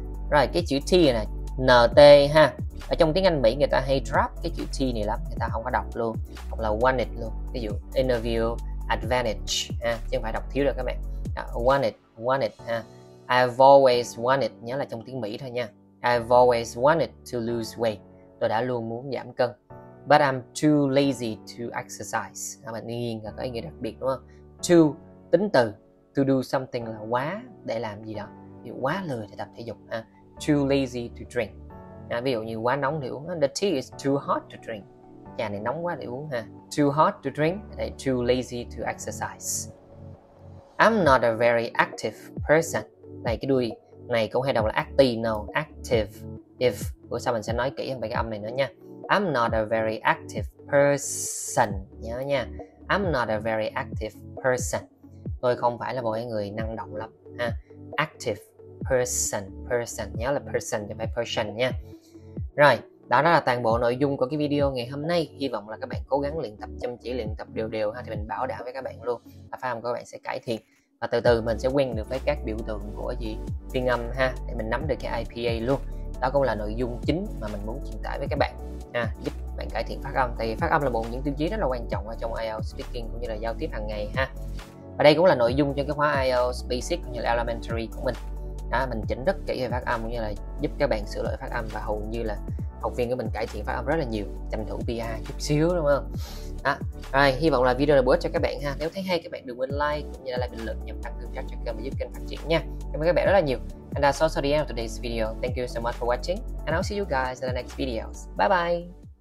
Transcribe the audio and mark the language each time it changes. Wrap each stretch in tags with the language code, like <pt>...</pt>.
<vi>Rồi cái chữ t nè, nt ha, ở trong tiếng Anh Mỹ người ta hay drop cái chữ t này lắm, người ta không có đọc luôn, hoặc là wanted luôn, ví dụ interview advantage ha, chứ không phải đọc thiếu được các bạn. Wanted ha,</vi> <en>I've always wanted,</en> <vi>nhớ là trong tiếng Mỹ thôi nha.</vi> <en>I've always wanted to lose weight.</en> <vi>Tôi đã luôn muốn giảm cân.</vi> <en>But I'm too lazy to exercise.</en> <vi>À, bạn nhìn là có ý nghĩa đặc biệt đúng không? Too, tính từ. To do something là quá để làm gì đó. Ví dụ, quá lười để tập thể dục. À,</vi> <en>too lazy to drink.</en> <vi>À, ví dụ như quá nóng để uống.</vi> <en>The tea is too hot to drink.</en> <vi>Trà này nóng quá để uống ha.</vi> <en>Too hot to drink. Đây, too lazy to exercise. I'm not a very active person.</en> <vi>Đây cái đuôi này cũng hay đọc là active, no, active. If, bữa sau mình sẽ nói kỹ hơn về cái âm này nữa nha.</vi> <en>I'm not a very active person.</en> <vi>Nhớ nha.</vi> <en>I'm not a very active person.</en> <vi>Tôi không phải là một người năng động lắm ha. Active person. Person, nhớ là person chứ phải person nha. Rồi, đó là toàn bộ nội dung của cái video ngày hôm nay. Hy vọng là các bạn cố gắng luyện tập, chăm chỉ luyện tập đều đều ha. Thì mình bảo đảm với các bạn luôn là phát âm của các bạn sẽ cải thiện. Và từ từ mình sẽ quen được với các biểu tượng của gì phiên âm ha, để mình nắm được cái IPA luôn. Đó cũng là nội dung chính mà mình muốn truyền tải với các bạn ha, giúp bạn cải thiện phát âm. Tại vì phát âm là một những tiêu chí rất là quan trọng ở trong IELTS speaking cũng như là giao tiếp hàng ngày ha. Và đây cũng là nội dung cho cái khóa IELTS basic cũng như là elementary của mình. Đó, mình chỉnh rất kỹ về phát âm cũng như là giúp các bạn sửa lỗi phát âm, và hầu như là học viên của mình cải thiện phát âm rất là nhiều, chăm thủ PA chút xíu đúng không? Đó. Rồi, hy vọng là video này bổ ích cho các bạn ha. Nếu thấy hay các bạn đừng quên like cũng như là bình luận nhằm tăng tương tác cho kênh và giúp kênh phát triển nha. Cảm ơn các bạn rất là nhiều.</vi> <en>And that's also the end of today's video. Thank you so much for watching and I'll see you guys in the next videos. Bye bye.</en>